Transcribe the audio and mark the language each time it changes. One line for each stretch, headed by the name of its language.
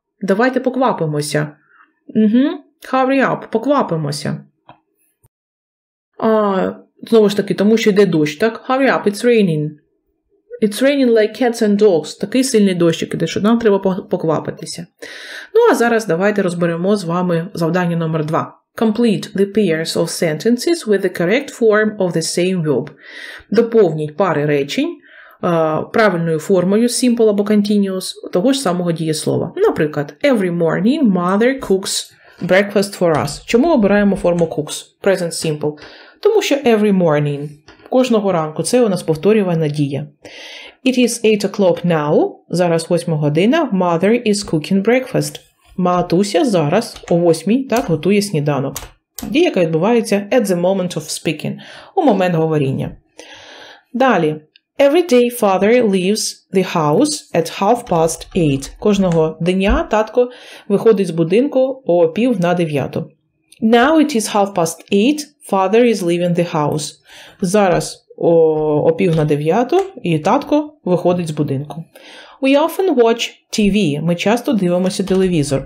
Ukrainian: Давайте поквапимося.
English: Hurry up.
Ukrainian: Поквапимося. А, знову ж таки, тому що йде дощ, так?
English: Hurry up, it's raining. It's raining like cats and dogs.
Ukrainian: Такий сильний дощик іде, що нам треба поквапитися. Ну, а зараз давайте розберемо з вами завдання номер 2.
English: Complete the pairs of sentences with the correct form of the same verb.
Ukrainian: Доповніть пари речень правильною формою simple або continuous того ж самого дієслова. Наприклад,
English: every morning mother cooks breakfast for us.
Ukrainian: Чому обираємо форму cooks? Present simple. Тому що
English: every morning,
Ukrainian: кожного ранку, це у нас повторювана дія.
English: It is 8 o'clock now,
Ukrainian: зараз 8 година,
English: mother is cooking breakfast.
Ukrainian: Матуся зараз о 8 так готує сніданок. Дія, яка відбувається
English: at the moment of speaking,
Ukrainian: у момент говоріння. Далі.
English: Every day father leaves the house at 8:30.
Ukrainian: Кожного дня татко виходить з будинку о 8:30.
English: Now it is 8:30, father is leaving the house.
Ukrainian: Зараз о 8:30 і татко виходить з будинку.
English: We often watch TV.
Ukrainian: Ми часто дивимося телевізор.